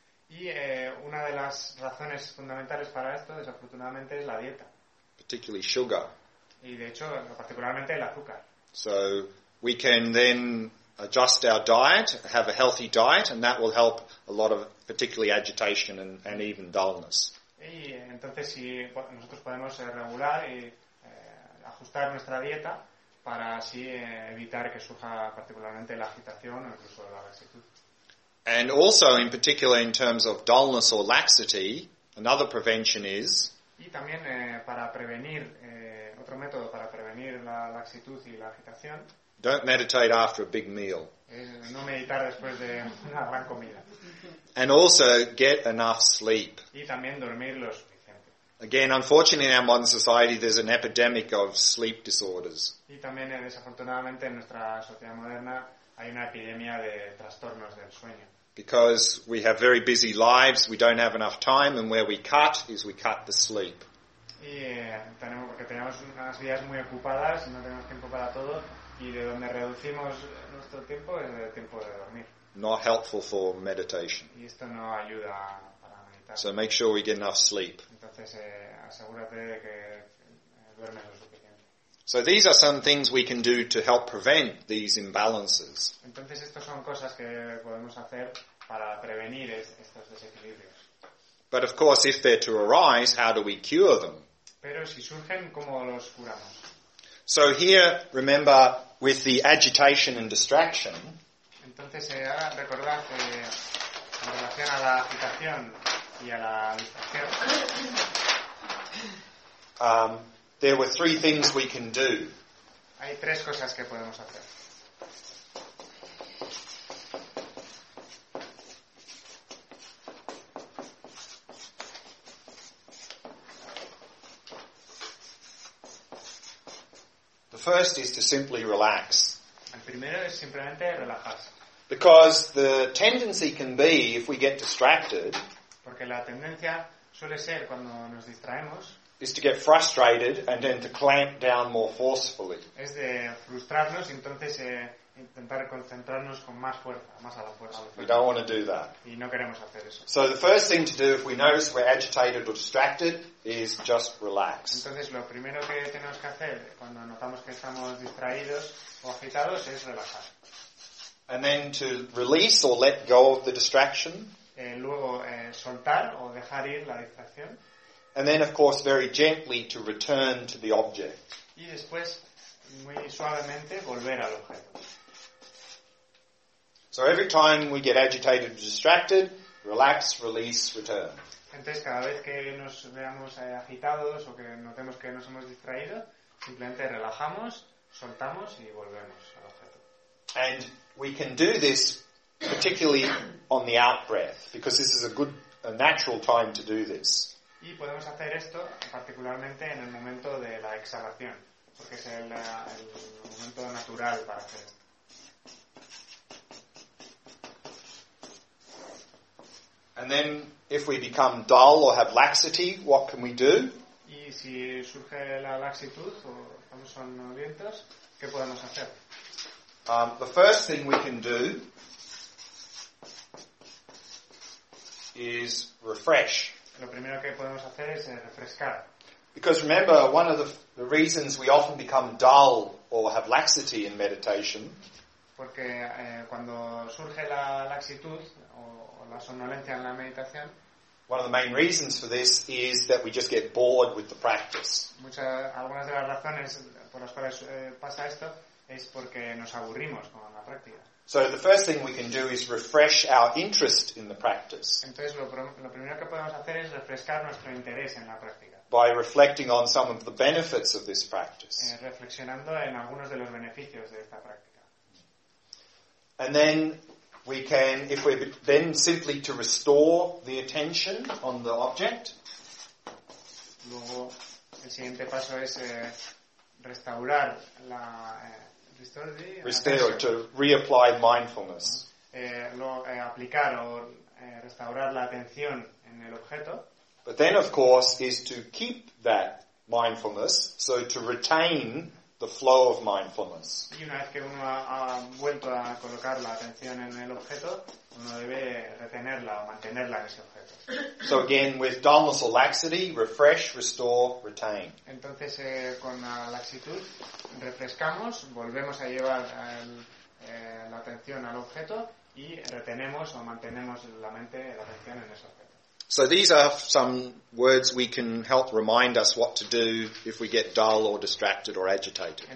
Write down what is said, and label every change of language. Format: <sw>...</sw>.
<es>Y una de las razones fundamentales para esto, desafortunadamente, es la dieta.</es> <en>Particularly sugar.</en> <es>Y de hecho, particularmente el azúcar.</es> <en>So we can then adjust our diet, have a healthy diet, and that will help a lot of, particularly agitation and even dullness.</en> <es>Y entonces, si nosotros podemos regular y ajustar nuestra dieta para así evitar que surja particularmente la agitación o incluso la laxitud.</es> <en>And also, in particular, in terms of dullness or laxity, another prevention is.</en> <es>Y también para prevenir otro método para prevenir la laxitud y la agitación.</es> <en>Don't meditate after a big meal.</en> <es>No meditar después de una gran comida.</es> <en>And also, get enough sleep.</en> <es>Y también dormir lo suficiente.</es> <en>Again, unfortunately, in our modern society, there's an epidemic of sleep disorders.</en> <es>Y también desafortunadamente en nuestra sociedad moderna. Hay una epidemia de trastornos del sueño.</es> <en>Because we have very busy lives, we don't have enough time, and where we cut is we cut the sleep.</en> <es>Y tenemos porque tenemos unas vidas muy ocupadas y no tenemos tiempo para todo, y de donde reducimos nuestro tiempo es el tiempo de dormir.</es> <en>Not helpful for meditation.</en> <es>Y esto no ayuda para meditar.</es> <en>So make sure we get enough sleep.</en> <es>Entonces asegúrate de que duermes lo suficiente.</es> <en>So these are some things we can do to help prevent these imbalances.</en> <es>Entonces estas son cosas que podemos hacer para prevenir estos desequilibrios.</es> <en>But of course, if they're to arise, how do we cure them?</en> <es>Pero si surgen, ¿cómo los curamos?</es> <en>So here, remember, with the agitation and distraction.</en> <es>Entonces ahora recordad que en relación a la agitación y a la distracción.</es> <en>There were three things we can do.</en> <es>Hay tres cosas que podemos hacer.</es> <en>The first is to simply relax.</en> <es>El primero es simplemente relajarse.</es> <en>Because the tendency can be, if we get distracted,</en> <es>porque la tendencia suele ser cuando nos distraemos,</es> <en>is to get frustrated and then to clamp down more forcefully.</en> <es>Es de frustrarnos y entonces intentar concentrarnos con más fuerza, más a la fuerza.</es> <en>We don't want to do that.</en> <es>Y no queremos hacer eso.</es> <en>So the first thing to do if we notice we're agitated or distracted is just relax.</en> <es>Entonces lo primero que tenemos que hacer cuando notamos que estamos distraídos o agitados es relajar.</es> <en>And then to release or let go of the distraction.</en> <es>Luego soltar o dejar ir la distracción.</es> <en>And then, of course, very gently to return to the object.</en> <es>Y después, muy suavemente, volver al objeto.</es> <en>So every time we get agitated or distracted, relax, release, return.</en> <es>Entonces, cada vez que nos veamos agitados o que notemos que nos hemos distraído, simplemente relajamos, soltamos y volvemos al objeto.</es> <en>And we can do this particularly on the out breath, because this is a natural time to do this.</en> <es>Y podemos hacer esto particularmente en el momento de la exhalación, porque es el momento natural para hacer esto.</es> <en>And then if we become dull or have laxity, what can we do?</en> <es>Y si surge la laxitud o estamos somnolientos, ¿qué podemos hacer?</es> <en>The first thing we can do is refresh.</en> <es>Lo primero que podemos hacer es refrescar.</es> <en>Because remember, one of the reasons we often become dull or have laxity in meditation.</en> <es>Porque cuando surge la laxitud o la somnolencia en la meditación.</es> <en>One of the main reasons for this is that we just get bored with the practice.</en> <es>Algunas de las razones por las cuales pasa esto es porque nos aburrimos con la práctica.</es> <en>So the first thing we can do is refresh our interest in the practice.</en> <es>Entonces lo primero que podemos hacer es refrescar nuestro interés en la práctica.</es> <en>By reflecting on some of the benefits of this practice.</en> <es>Reflexionando en algunos de los beneficios de esta práctica.</es> <en>And then we can, if we then simply to restore the attention on the object.</en> <es>Luego el siguiente paso es restaurar la</es> <en>restore, to reapply mindfulness.</en> <es>Aplicar o restaurar la atención en el objeto.</es> <en>But then, of course, is to keep that mindfulness, so to retain the flow of mindfulness.</en> <es>Y una vez que uno ha vuelto a colocar la atención en el objeto, uno debe retenerla o mantenerla en ese objeto.</es> <en>So again, with dullness or laxity, refresh, restore, retain.</en> <es>Entonces, con la laxitud, refrescamos, volvemos a llevar la atención al objeto y retenemos o mantenemos la mente, la atención en ese objeto.</es> <en>So these are some words we can help remind us what to do if we get dull or distracted or agitated.</en>